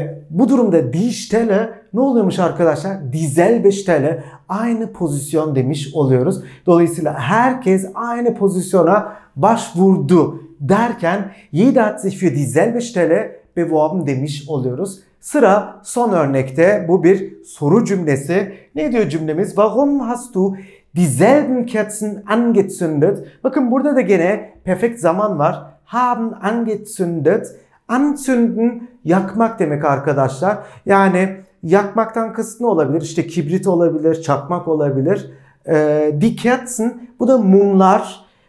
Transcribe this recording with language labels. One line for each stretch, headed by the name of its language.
Turkish: Bu durumda die Stelle ne oluyormuş arkadaşlar?
German: Dieselbe Stelle,
Turkish: aynı pozisyon demiş oluyoruz. Dolayısıyla herkes aynı pozisyona başvurdu derken
German: jeder hat sich für dieselbe Stelle beworben
Turkish: demiş oluyoruz. Sıra son örnekte, bu bir soru cümlesi. Ne diyor cümlemiz?
German: Warum hast du dieselben Kerzen angezündet?
Turkish: Bakın burada da gene perfekt zaman var.
German: Haben angezündet.
Turkish: Anzünden, yakmak demek arkadaşlar. Yani yakmaktan kasıt ne olabilir? İşte kibrit olabilir, çakmak olabilir. Die Kerzen, bu da mumlar.